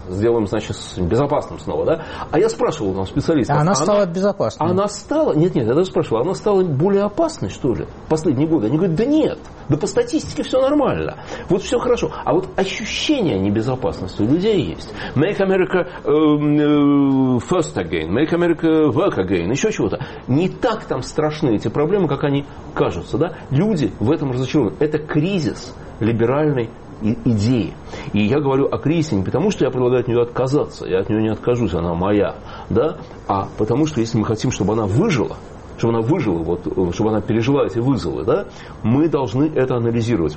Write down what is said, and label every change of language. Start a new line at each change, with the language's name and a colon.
Russian: Сделаем, значит, безопасным снова, да? А я спрашивал там специалистов. Она стала безопасной. Она стала... Нет, я даже спрашивал. Она стала более опасной, что ли, в последние годы? Они говорят, да нет. Да по статистике все нормально. Вот все хорошо. А вот ощущение небезопасности у людей есть.
English: Make America first again. Make America work again.
Russian: Еще чего-то. Не так там страшны эти проблемы, как они кажутся, да? Люди в этом разочарованы. Это кризис либеральной идеи. И я говорю о кризисе не потому, что я предлагаю от нее отказаться, я от нее не откажусь, она моя, да, а потому что если мы хотим, чтобы она выжила, чтобы она пережила эти вызовы, да, мы должны это анализировать.